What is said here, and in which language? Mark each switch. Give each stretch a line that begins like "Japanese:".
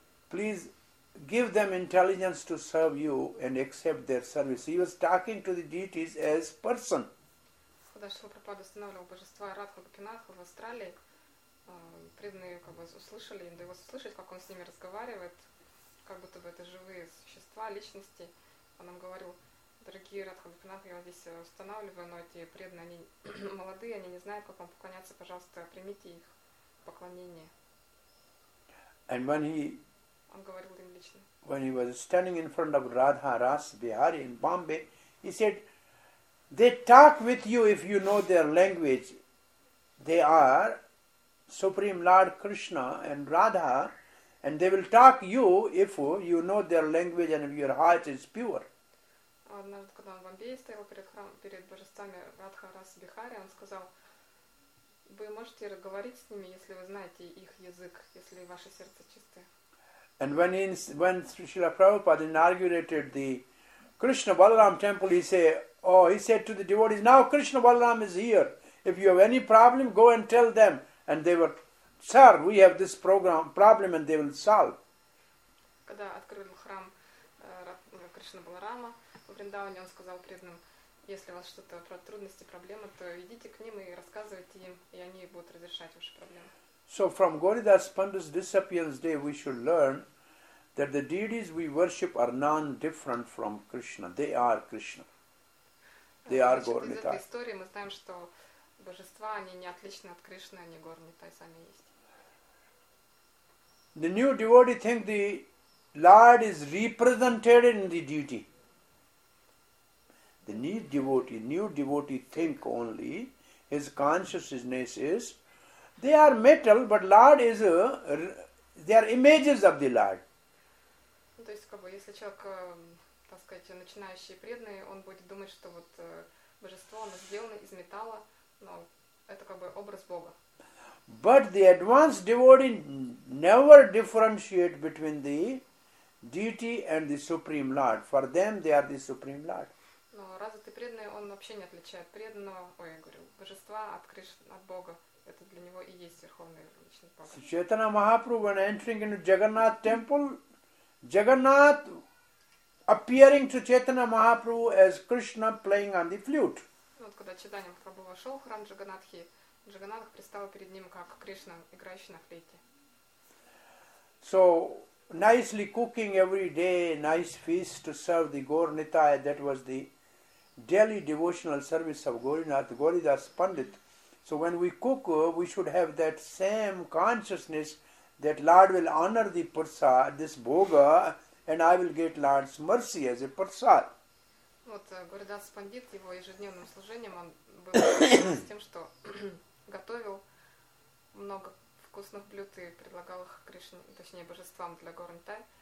English: Please give them intelligence to serve you and accept their service." He was talking to the deities as person.
Russian: Когда Шрила Прабхупада устанавливал божества Радха Гопинатха в Австралии, преданные как бы услышали, им довелось услышать, как он с ними разговаривает, как будто бы это живые существа, личности. Он им говорил: "Дорогие Радха Гопинатха, я вас здесь устанавливаю, но эти преданные, они молодые, они не знают, как вам поклоняться, пожалуйста, примите их поклонение."
English: And when he,
Russian: он говорил им лично.
English: When he was standing in front of Radha Ras Bihari in Bombay, he said, "They talk with you if you know their language. They are Supreme Lord Krishna and Radha, and they will talk you if you know their language and if your heart is pure."
Russian: Однажды, когда он в Бомбее стоял перед божествами Радха Рас Бихари, он сказал: "Вы можете говорить с ними, если вы знаете их язык, если ваше сердце чистое."
English: And when Srila Prabhupada inaugurated the Krishna Balaram temple, he said to the devotees, "Now Krishna Balaram is here. If you have any problem, go and tell them." And they were, "Sir, we have this problem and they will solve."
Russian: Когда открыли храм Кришна Баларама в Вриндаване, он сказал преданным: "Если у вас что-то про трудности, проблемы, то идите к ним и рассказывайте им, и они будут разрешать ваши проблемы."
English: So from Gauridas Panda's disappearance day, we should learn that the deities we worship are non-different from Krishna. They are Krishna. They are Gaur Nithai.
Russian: Значит, из этой истории мы знаем, что божества, они не отличны от Кришны, они Гаур Нитай сами есть.
English: The new devotee think the Lord is represented in the deity. The new devotee think only his consciousness is, they are metal, but Lord is they are images of the Lord.
Russian: То есть, как бы, если человек, так сказать, начинающий преданный, он будет думать, что вот божество, оно сделано из металла, но это как бы образ Бога.
English: But the advanced devotee never differentiate between the deity and the Supreme Lord. For them, they are the Supreme Lord.
Russian: Но развитый преданный, он вообще не отличает преданного, ой, я говорю, божества от Кришны, от Бога. Это для него и есть верховный личный Бог.
English: Чайтанья Махапрабху, when entering into Jagannath temple, Jagannath appearing to Chaitanya Mahaprabhu as Krishna playing on the flute.
Russian: Вот когда Чайтанья Махапрабху вошел в храм Джаганатхи, Джаганатх пристал перед ним как Кришна, играющий на флейте.
English: So, nicely cooking every day, nice feast to serve the Gaur Nithai, that was the daily devotional service of Gaurinath, Gauridas Pandit. So when we cook, we should have that same consciousness that Lord will honor the prasad, this bhoga, and I will get Lord's mercy as a prasad.
Russian: Вот Гурдас Пандит, его ежедневным служением, он был с тем, что готовил много вкусных блюд и предлагал их Кришне, точнее, божествам для Гаур Нитай.